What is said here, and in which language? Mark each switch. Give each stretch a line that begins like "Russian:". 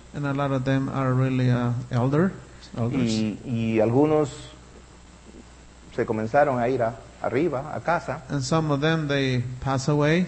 English: And a lot of them are really elders.
Spanish: Y algunos se comenzaron a ir arriba a casa.
English: And some of them they pass away.